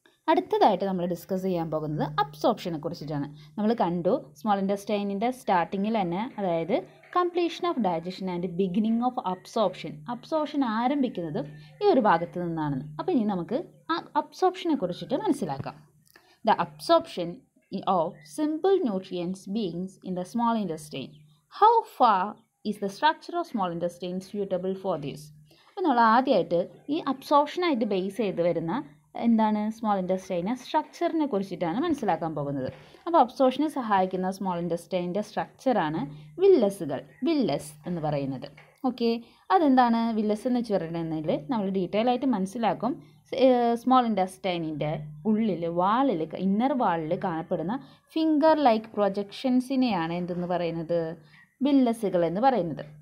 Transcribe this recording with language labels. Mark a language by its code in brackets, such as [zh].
[ml] അടുത്തതായിട്ട് നമ്മൾ ഡിസ്കസ് ചെയ്യാൻ പോകുന്നത് അബ്സോർപ്ഷനെ കുറിച്ചിട്ടാണ്. നമ്മൾ കണ്ടു സ്മോൾ ഇൻറ്റസ്റ്റൈനിൻ്റെ സ്റ്റാർട്ടിങ്ങിൽ തന്നെ, അതായത് completion of digestion and beginning of absorption, absorption ആരംഭിക്കുന്നതും ഈ ഒരു ഭാഗത്ത് നിന്നാണെന്ന്. അപ്പോൾ ഇനി നമുക്ക് അബ്സോർപ്ഷനെ കുറിച്ചിട്ട് മനസ്സിലാക്കാം. [en] The absorption of simple nutrients beings in the small intestine. How far is the structure of small intestine suitable for this? [ml] അപ്പോൾ നമ്മൾ ആദ്യമായിട്ട് ഈ അബ്സോർപ്ഷനായിട്ട് ബേസ് ചെയ്ത് വരുന്ന എന്താണ് സ്മോൾ ഇൻ്റസ്റ്റൈനെ സ്ട്രക്ചറിനെ കുറിച്ചിട്ടാണ് മനസ്സിലാക്കാൻ പോകുന്നത്. അപ്പോൾ അബ്സോർപ്ഷനെ സഹായിക്കുന്ന സ്മോൾ ഇൻ്റസ്റ്റൈനിൻ്റെ സ്ട്രക്ചറാണ് വില്ലസുകൾ, വില്ലസ് എന്ന് പറയുന്നത്. ഓക്കെ, അതെന്താണ് വില്ലസ് എന്ന് വെച്ചിട്ടുണ്ടെങ്കിൽ നമ്മൾ ഡീറ്റെയിൽ ആയിട്ട് മനസ്സിലാക്കും. സ്മോൾ ഇൻ്റസ്റ്റൈനിൻ്റെ ഉള്ളിൽ, വാളിൽ, ഇന്നർ വാളിൽ കാണപ്പെടുന്ന ഫിംഗർ ലൈക്ക് പ്രൊജക്ഷൻസിനെയാണ് എന്തെന്ന് പറയുന്നത്, വില്ലസുകൾ എന്ന് പറയുന്നത്.